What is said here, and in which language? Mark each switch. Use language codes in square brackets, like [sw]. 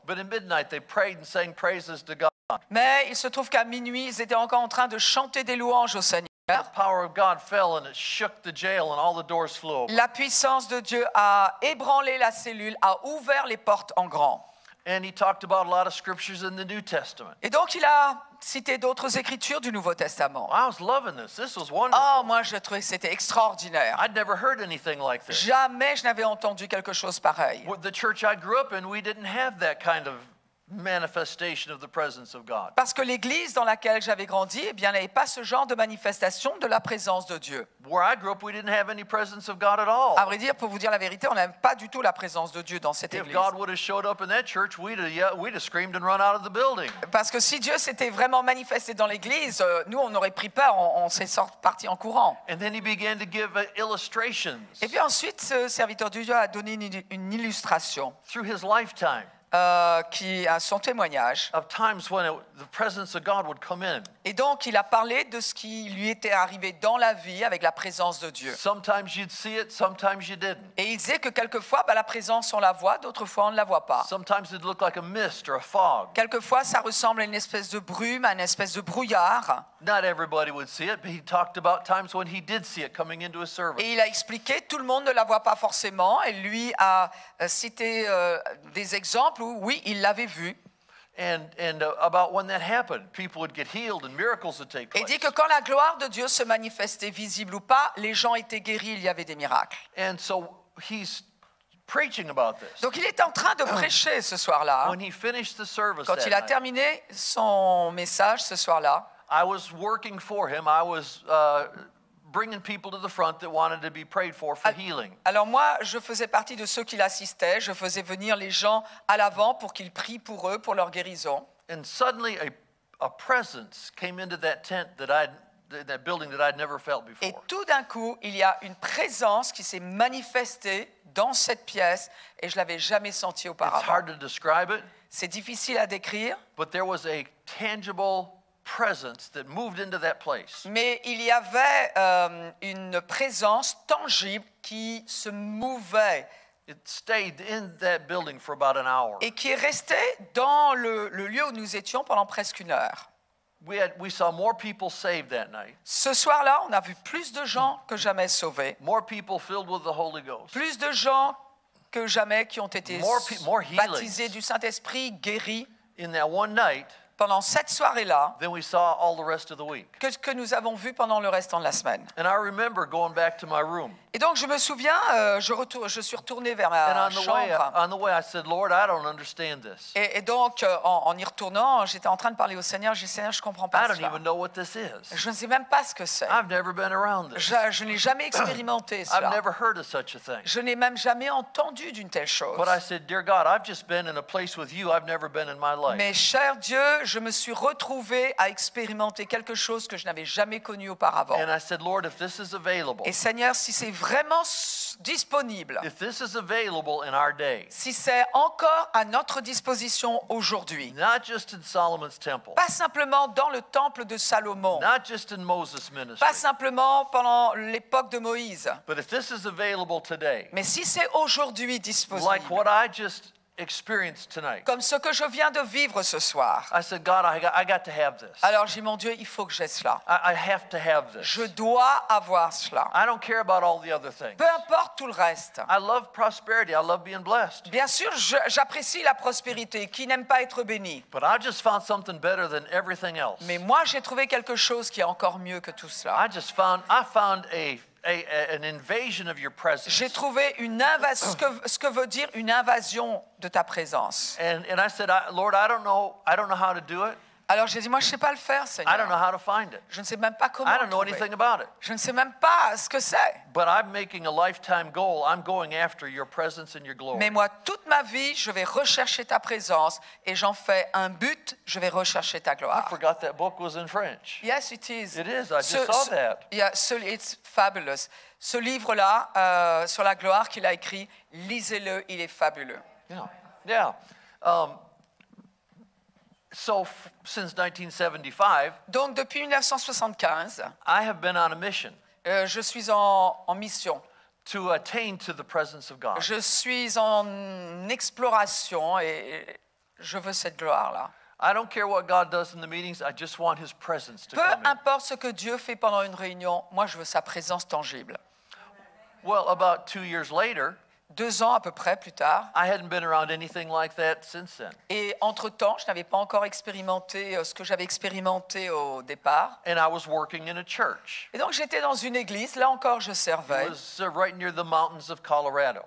[en] But at midnight they prayed and sang praises to God. [fr] Mais il se trouve qu'à minuit, ils étaient encore en train de chanter des louanges au Seigneur. [en] The power of God fell and it shook the jail and all the doors flew open. [fr] La puissance de Dieu a ébranlé la cellule, a ouvert les portes en grand. [en] And he talked about a lot of scriptures in the New Testament. [fr] Et donc il a cité d'autres écritures du Nouveau Testament. [en] I was loving this. This was wonderful. [fr] Oh, moi je trouvais que c'était extraordinaire. [en] I'd never heard anything like this. [fr] Jamais je n'avais entendu quelque chose pareil. [en] The church I grew up in, we didn't have that kind of manifestation of the presence of God. [fr] Parce que l'église dans laquelle j'avais grandi, eh bien, n'avait pas ce genre de manifestation de la présence de Dieu. [en] Where I grew up, we didn't have any presence of God at all. [fr] À vrai dire, pour vous dire la vérité, on n'avait pas du tout la présence de Dieu dans cette église. [en] If God would have showed up in that church, we'd have screamed and run out of the building. [fr] Parce que si Dieu s'était vraiment manifesté dans l'église, nous, on aurait pris peur, on s'est sorti parti en courant. [en] And then he began to give illustrations. [fr] Et puis ensuite, ce serviteur de Dieu a donné une illustration. [en] Through his lifetime. [fr] Qui a son témoignage. [en] Of times when the presence of God would come in. [fr] Et donc il a parlé de ce qui lui était arrivé dans la vie avec la présence de Dieu. [en] Sometimes you'd see it, sometimes you didn't. [fr] Et il disait que quelquefois la présence on la voit, d'autres fois on ne la voit pas. [en] Sometimes it looked like a mist or a fog. [fr] Quelquefois ça ressemble à une espèce de brume, à une espèce de brouillard. [en] Not everybody would see it, but he talked about times when he did see it coming into his service. [fr] Et il a expliqué, tout le monde ne la voit pas forcément, et lui a cité des exemples où, oui, il l'avait vu. [en] And about when that happened, people would get healed and miracles would take place. [fr] Et dit que quand la gloire de Dieu se manifestait, visible ou pas, les gens étaient guéris, il y avait des miracles. [en] And so he's preaching about this. [fr] Donc il est en train de prêcher ce soir-là. [en] When he finished the service [fr] quand [en] that [fr] il a [en] night. [fr] Terminé son message ce soir-là, [en] I was working for him. I was bringing people to the front that wanted to be prayed for healing. [fr] Alors moi, je faisais partie de ceux qui l'assistaient. Je faisais venir les gens à l'avant pour qu'ils prient pour eux, pour leur guérison. [en] And suddenly, a presence came into that tent that I'd in that building that I'd never felt before. [fr] Et tout d'un coup, il y a une présence qui s'est manifestée dans cette pièce et je l'avais jamais sentie auparavant. [en] It's hard to describe it. [fr] C'est difficile à décrire. [en] But there was a tangible presence that moved into that place. [fr] Mais il y avait une présence tangible qui se mouvait. [en] It stayed in that building for about an hour. [fr] Et qui est resté dans le lieu où nous étions pendant presque une heure. [en] We saw more people saved that night. [fr] Ce soir-là, on a vu plus de gens que jamais sauvés. [en] More people filled with the Holy Ghost. [fr] Plus de gens que jamais qui ont été baptisés du Saint-Esprit, guéris. [en] In that one night. [fr] Pendant cette soirée-là. [en] Then we saw all the rest of the week. [fr] Que nous avons vu pendant le restant de la semaine. [en] And I remember going back to my room. [fr] Et donc je me souviens, je suis retourné vers ma chambre. [en] On the way, I said, Lord, I don't understand this. [fr] Et donc en y retournant, j'étais en train de parler au Seigneur. J'ai dit, Seigneur, je comprends pas ça. [en] I don't even know what this is. [fr] Je ne sais même pas ce que c'est. [en] I've never been around this. [fr] Je n'ai jamais expérimenté ça. [en] I've never heard of such a thing. [fr] Je n'ai même jamais entendu d'une telle chose. [en] But I said, dear God, I've just been in a place with you. I've never been in my life. [fr] Mais cher Dieu, je me suis retrouvé à expérimenter quelque chose que je n'avais jamais connu auparavant. [en] And I said, Lord, if this is available. [fr] Et Seigneur, si c'est vraiment disponible. [en] If this is available in our day, [fr] si c'est encore à notre disposition aujourd'hui. [en] Not just in Solomon's temple. [fr] Pas simplement dans le temple de Salomon. [en] Not just in Moses' ministry. [fr] Pas simplement pendant l'époque de Moïse. [en] But if this is available today. [fr] Mais si c'est aujourd'hui disponible. [en] Like what I just experienced tonight. [fr] Comme ce que je viens de vivre ce soir. [en] I said, God, I got to have this. [fr] Alors j'ai dit, mon Dieu, il faut que j'aie cela. [en] I have to have this. [fr] Je dois avoir cela. [en] I don't care about all the other things. [fr] Peu importe tout le reste. [en] I love prosperity. I love being blessed. [fr] Bien sûr, j'apprécie la prospérité. Qui n'aime pas être béni? [en] But I just found something better than everything else. [fr] Mais moi, j'ai trouvé quelque chose qui est encore mieux que tout cela. [en] I found an invasion of your presence. [fr] J'ai trouvé une invasion. Ce que veut dire une invasion de ta présence. [en] And I said, Lord, I don't know how to do it. [fr] Alors j'ai dit, moi je sais pas le faire, Seigneur. [en] I don't know how to find it. [fr] Je ne sais même pas comment. [en] I don't know anything about it. [fr] Je ne sais même pas ce que c'est. [en] But I'm making a lifetime goal. I'm going after your presence and your glory. [fr] Mais moi, toute ma vie, je vais rechercher ta présence et j'en fais un but. Je vais rechercher ta gloire. [en] I forgot that book was in French. Yes, it is. It is. I just saw that. Yeah, so it's fabulous. [fr] Ce livre-là sur la gloire qu'il a écrit, lisez-le. Il est fabuleux. [en] Yeah. Yeah. Since 1975. [fr] Donc depuis 1975. [en] I have been on a mission. [fr] Je suis en mission. [en] To attain to the presence of God. [fr] Je suis en exploration et je veux cette gloire là. [en] I don't care what God does in the meetings. I just want His presence to [fr] Peu [en] come. [fr] Peu importe ce que Dieu fait pendant une réunion, moi je veux sa présence tangible. [en] Well, about 2 years later. [fr] 2 ans à peu près plus tard. [en] I hadn't been around anything like that since then. [fr] Et entre-temps, je n'avais pas encore expérimenté ce que j'avais expérimenté au départ. [en] And I was working in a church. [fr] Et donc j'étais dans une église, là encore je servais. [en] It was right near the mountains of Colorado.